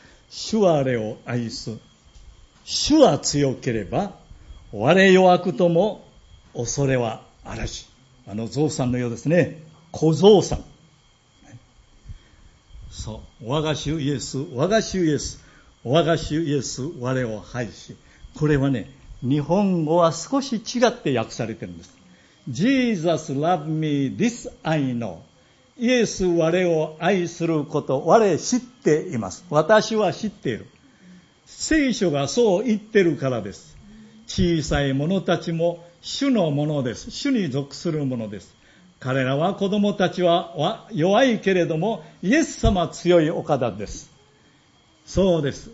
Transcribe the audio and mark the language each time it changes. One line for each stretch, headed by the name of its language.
Japanese: 主はあれを愛す。主は強ければ、我弱くとも恐れはあらし。あのゾウさんのようですね。小ゾウさん。そう。我が主イエス、我が主イエス、我が主イエス、我を愛し。これはね、日本語は少し違って訳されてるんです。
English: Jesus love me, this I know.
Japanese: イエス、我を愛すること、我知っています。私は知っている。聖書がそう言ってるからです。小さい者たちも主のものです。主に属するものです。彼らは子供たちは弱いけれども、イエス様強いお方です。そうです。